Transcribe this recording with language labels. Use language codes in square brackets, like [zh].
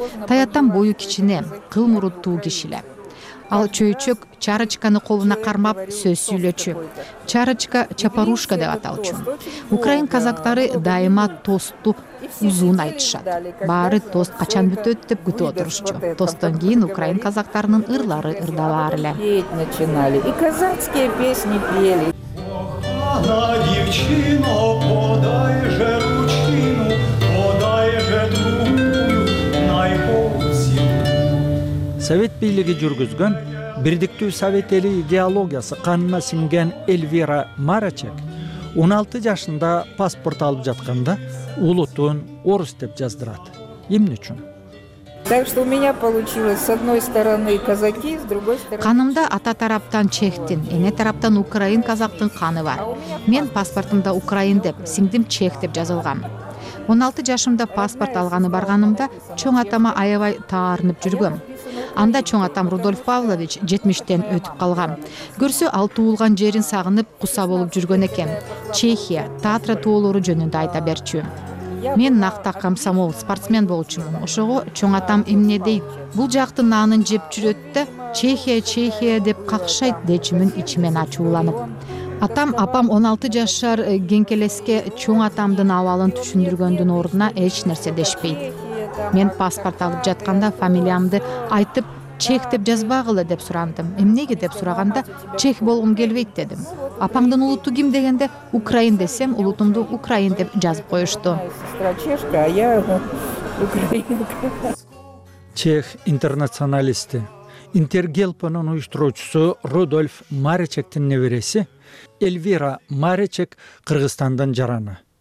[ky] Таятам бою кичине, кыл муруттуу кишиле. Ал чөйчөк чарочканы колуна кармап сөз сүйлөчү. Чарочка чапарушка деп аталчу. Украин казактары дайыма тосту узун айтышат. Баары тост качан бүтөт деп күтүп отурушчу. Тосттон кийин украин казактарынын ырлары ырдалар эле. [ru] И казацкие песни пели. [uk] Она девчина, подай же ручину, подай же другую найпосину. [ky] Совет бийлиги жүргүзгөн бирдиктүү совет эли идеологиясы канына сиңген Эльвира Маричек 16 жашында паспорт алып жатканда улутун орус деп жаздырат. Эмне үчүн? [ru] Так что у меня получилось с одной стороны казаки, с другой стороны. [ky] Канымда ата тараптан чехтин, эне тараптан украин казактын каны бар. Мен паспортумда украин деп, сиңдим чех деп жазылган. 16 жашымда паспорт алганы барганымда чоң атама аябай таарынып жүргөм. Анда чоң атам Рудольф Павлович 70-тен өтүп калган. Көрсө ал туулган жерин сагынып куса болуп жүргөн экен. Чехия, Татра тоолору жөнүндө айта берчү. Мен накта комсомол спортсмен болчумун. Ошого чоң атам эмне дейт? Бул жактын нанын жеп жүрөт да, Чехия, Чехия деп какшайт дечимин ичимен ачууланып. Атам апам 16 жашар кеңкелеске чоң атамдын абалын түшүндүргөндүн ордуна эч нерсе дешпейт. Мен паспорт алып жатканда фамилиямды айтып, чех деп жазбагылы деп сурандым. Эмнеге деп сураганда, чех болгум келбейт дедим. Апамдын улуту ким дегенде, украин десем, улутумду украин деп жазып коюшту. Чех интернационалисти, Интергелпонун уюштуруучусу Рудольф Маричектин небереси Эльвира Маричек Кыргызстандын жараны.